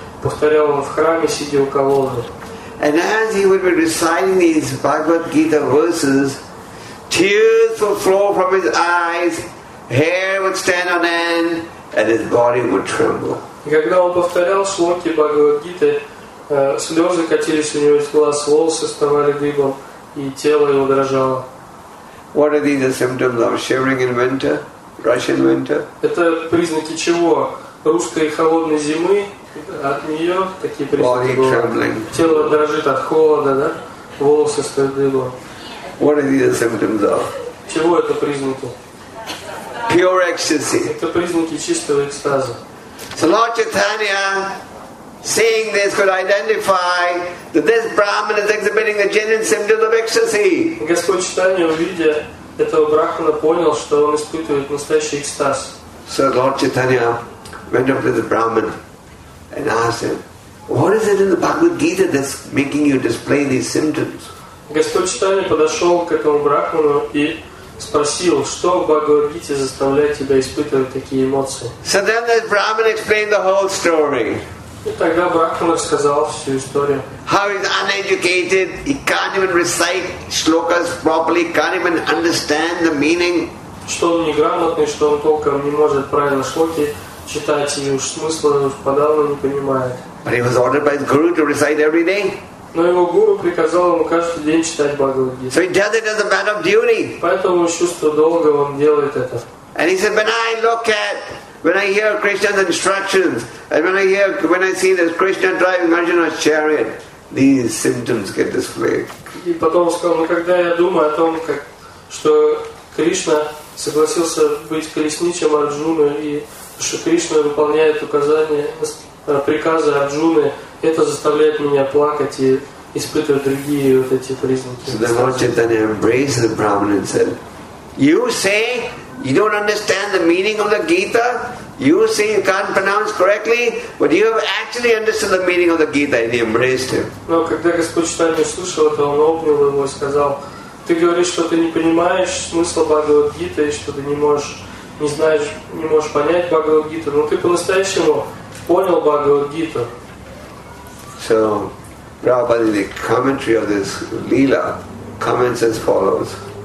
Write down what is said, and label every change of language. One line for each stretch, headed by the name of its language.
Russian: Повторял он в храме, сидя у колонны.
English: And as he would be reciting these Bhagavad Gita verses, tears would flow from his eyes, hair would stand on end and his body would tremble.
Russian: Когда он повторял шлоки Бхагавад-гиты, слезы катились у него из глаз, волосы вставали дыбом, и тело его дрожало.
English: What are these symptoms of shivering in winter, Russian winter?
Russian: Это признаки чего? Русской холодной зимы, от нее такие признаки были.
English: Body trembling.
Russian: Тело дрожит от холода, да? Волосы стоят дыбом.
English: What are these symptoms of?
Russian: Чего это признаки?
English: Pure ecstasy.
Russian: Это признаки чистого экстаза.
English: So Lord Chaitanya, seeing this, could identify that this Brahman is exhibiting the genuine symptoms of ecstasy.
Russian: Господь Читания, увидя этого Брахмана, понял, что он испытывает настоящий экстаз.
English: So Lord Chaitanya went up to the Brahman and asked him, "What is it in the Bhagavad Gita that's making you display these symptoms?"
Russian: Господь Читания подошел к этому Брахману и спросил, что в Бхагавад-гите заставляет тебя испытывать такие эмоции.
English: So then the Brahman explained the whole story.
Russian: И тогда Брахмана рассказал всю историю.
English: How he's uneducated, he can't even recite shlokas properly, can't even understand the meaning.
Russian: Что он неграмотный, что он толком не может правильно шлоки читать, и уж смысла уж подавно не понимает.
English: But he was ordered by his guru to recite every day.
Russian: Но его гуру приказал ему каждый день читать Бхагавад-гиту.
English: So he does it as a matter of duty.
Russian: Поэтому чувство долга он делает это.
English: And he said, when I hear Krishna's instructions, and when I see this Krishna driving Arjuna's chariot, these symptoms get displayed.
Russian: И потом сказал, ну когда я думаю о том, как, что Кришна согласился быть колесничем Арджуны, и что Кришна выполняет указания, приказы Арджуны, это заставляет меня плакать и испытывать другие вот эти признаки.
English: So then Lord Chaitanya embraced the Brahman and said, "You say you don't understand the meaning of the Gita. You say you can't pronounce correctly, but you have actually understood the meaning of the Gita." And he embraced him.
Russian: Но когда Господь Читания слушал это, он обнял его и сказал, "Ты говоришь, что ты не понимаешь смысла Бхагавад-гиты, и что ты не можешь, не знаешь, не можешь понять Бхагавад-гиту, но ты по-настоящему понял Бхагавад-гиту."
English: So, Prabhupada, the commentary of this Leela comments as follows.